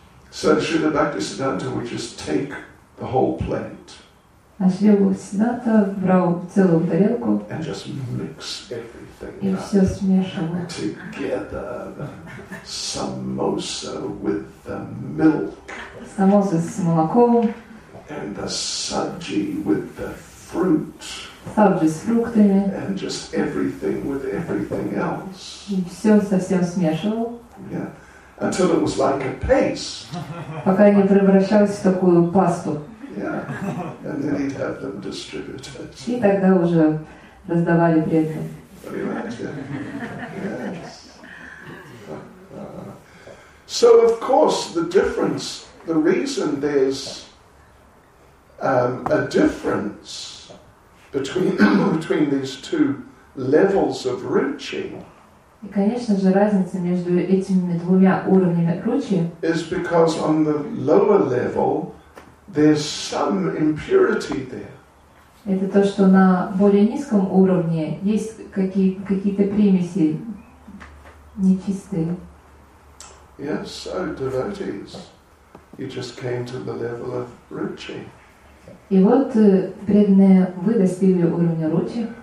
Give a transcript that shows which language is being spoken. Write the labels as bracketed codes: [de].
[en] So Srila Bhaktisiddhanta would just take the whole plate. [ru] А Шри Бхактисиддханта брал целую тарелку [en] and just mix everything [ru] и все смешивал. [en] Together, samosa with the milk. [ru] Самоса с молоком. [en] And the saji with the fruit. [ru] Саджи с фруктами. [en] And just everything with everything else. [ru] И все со всем смешивал. [en] Yeah. until it was like a paste. [ru] Пока не превращалось в такую пасту. [en] Yeah. And then he'd have them distributed. [ru] И тогда уже раздавали при этом. [en] Yes. So of course the difference, the reason there's a difference between these two levels of ruchi. [ru] И, конечно же, разница между этими двумя уровнями ручи. [en] Is because on the lower level there's some impurity there. [ru] Это то, что на более низком уровне есть какие-то примеси нечистые. [en] Yes, so devotees, you just came to the level of ruchi. [ru] И вот преданные вы достигли уровня ручи.